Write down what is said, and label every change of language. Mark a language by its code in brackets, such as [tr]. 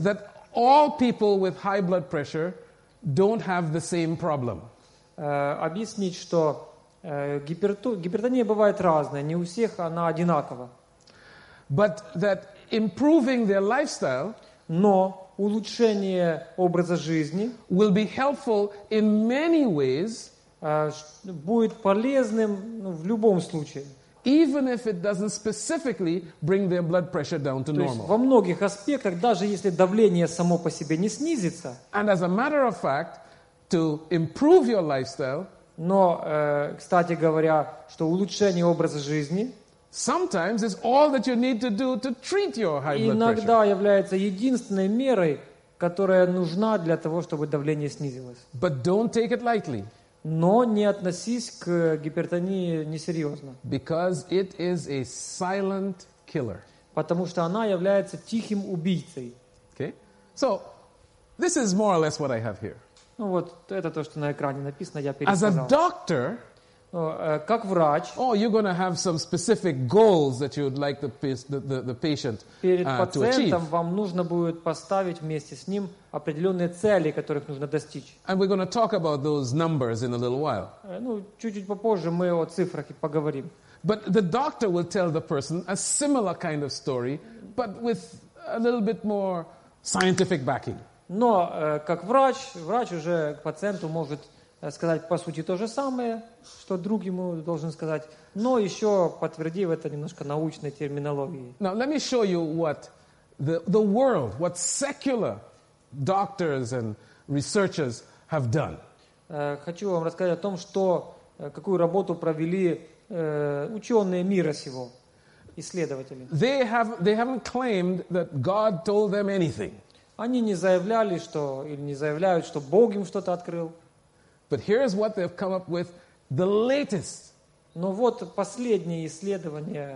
[en] That all people with high blood pressure don't have the same problem. [ru] Объяснить, что гипертония бывает разная, не у всех она одинакова. [en] But that improving their lifestyle. [ru] Но улучшение образа жизни [en] will be helpful in many ways, [ru] будет полезным в любом случае. [en] Even if it doesn't specifically bring their blood pressure down to normal. [ru] То есть во многих аспектах, даже если давление само по себе не снизится. [en] And as a matter of fact, to improve your lifestyle. [ru] Но, кстати говоря, что улучшение образа жизни. [en] Sometimes it's all that you need to do to treat your high blood pressure. [ru] Иногда является единственной мерой, которая нужна для того, чтобы давление снизилось. [en] But don't take it lightly. [ru] Но не относись к гипертонии несерьезно. [en] Because it is a silent killer. [ru] Потому что она является тихим убийцей. [en] Okay. So this is more or less what I have here. [ru] Ну вот это то, что на экране написано, я пересказал. [en] As a doctor. [ru] Как врач. [en] Oh, you're going to have some specific goals that you'd like the patient to achieve. [ru] Перед пациентом вам нужно будет поставить вместе с ним определенные цели, которых нужно достичь. [en] And we're going to talk about those numbers in a little while. [ru] Ну, чуть-чуть попозже мы о цифрах и поговорим. [en] But the doctor will tell the person a similar kind of story, but with a little bit more scientific backing. [ru] Но как врач уже к пациенту может сказать по сути то же самое, что друг ему должен сказать, но еще подтвердив это немножко научной терминологией. [en] Now let me show you what the world, what secular doctors and researchers have done. [ru] Хочу вам рассказать о том, что какую работу провели ученые мира сего, исследователи. [en] They haven't claimed that God told them anything. [ru] Они не заявляли, что или не заявляют, что Бог им что-то открыл. [en] But here is what they've come up with, the latest. [ru] Но вот последнее исследование.